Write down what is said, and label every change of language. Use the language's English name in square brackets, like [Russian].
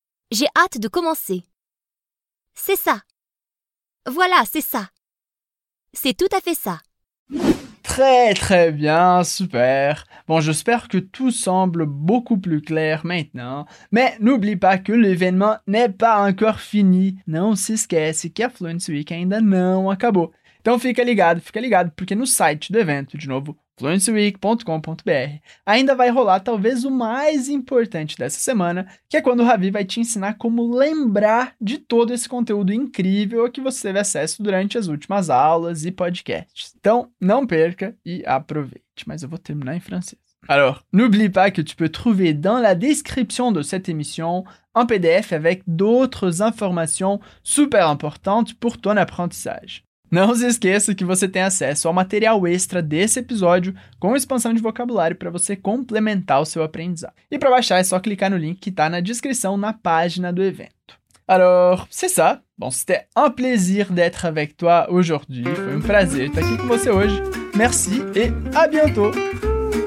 [French] J'ai hâte de commencer. C'est ça. Voilà, c'est ça. C'est tout à fait ça. Très, très bien, super. Bon, j'espère que tout semble beaucoup plus clair maintenant. Mais n'oublie pas que l'événement n'est pas encore fini. [Portuguese] Não se esquece que a Fluency Week ainda não acabou. Então fica ligado, porque no site do evento, de novo, fluencyweek.com.br, ainda vai rolar talvez o mais importante dessa semana, que é quando o Ravi vai te ensinar como lembrar de todo esse conteúdo incrível que você teve acesso durante as últimas aulas e podcasts. Então, não perca e aproveite. Mas eu vou terminar em francês. [French] Alors, n'oublie pas que tu peux trouver dans la description de cette émission un PDF avec d'autres informations super importantes pour ton apprentissage. [Portuguese] Não se esqueça que você tem acesso ao material extra desse episódio com expansão de vocabulário para você complementar o seu aprendizado. E para baixar é só clicar no link que está na descrição na página do evento. [French] Alors, c'est ça. Bon, c'était un plaisir d'être avec toi aujourd'hui. [Portuguese] Foi um prazer estar aqui com você hoje. [French] Merci et à bientôt!